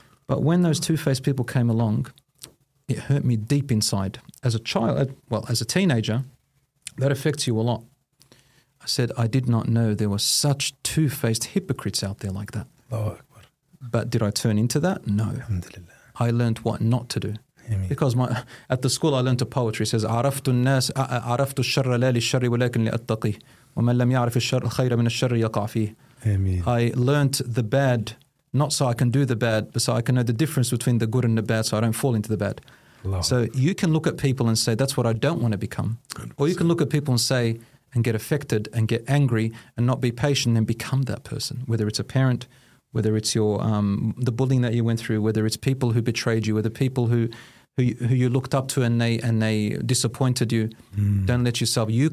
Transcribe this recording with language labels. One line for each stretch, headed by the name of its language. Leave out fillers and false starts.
English: But when those two-faced people came along, it hurt me deep inside. As a child, well, as a teenager, that affects you a lot. I said, I did not know there were such two-faced hypocrites out there like that. But did I turn into that? No. Alhamdulillah. I learned what not to do. Because at the school I learned a poetry. It says,
Arabic: "عرفت الناس عرفت الشر لا للشر ولكن لأتقي ومن لم يعرف الشر خير من الشر يقع فيه."
English: I learned the bad, not so I can do the bad, but so I can know the difference between the good and the bad, so I don't fall into the bad. Love. So you can look at people and say, "That's what I don't want to become," 100%. Or you can look at people and say and get affected and get angry and not be patient and become that person, whether it's a parent, whether it's your the bullying that you went through, whether it's people who betrayed you, whether people who you looked up to and they disappointed you, don't let yourself.